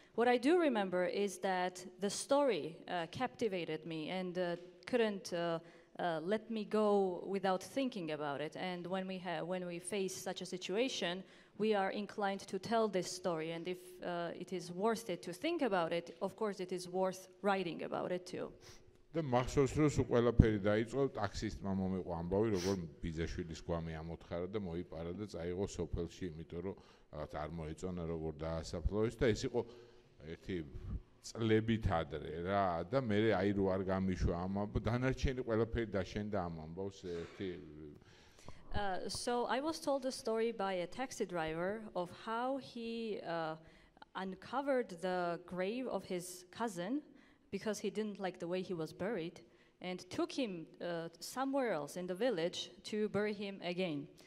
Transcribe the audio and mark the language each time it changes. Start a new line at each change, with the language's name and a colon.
English: What I do remember is that the story captivated me and couldn't let me go without thinking about it. And when we face such a situation, we are inclined to tell this story. And if it is worth it to think about it, of course it is worth writing about it too.
Georgian: The მახსოვს რომ უყველაფერი დაიწყო ტაქსისტმა მომიყვა ამბავი როგორ ბიზაშვილის გვამი ამოთხარა და მოიპარა და წაიღო სოფელში იმიტომ რომ რაღაც არ მოეწონა როგორ დაასაფლავო ის და ეს იყო ერთი წლებით ადრე რა და მე აი რო არ გამიშვა ამ ამბავ დანარჩენი ყველაფერი დაშენდა ამ ამბავს ერთი
English: So I was told a story by a taxi driver of how he uncovered the grave of his cousin because he didn't like the way he was buried, and took him somewhere else in the village to bury him again.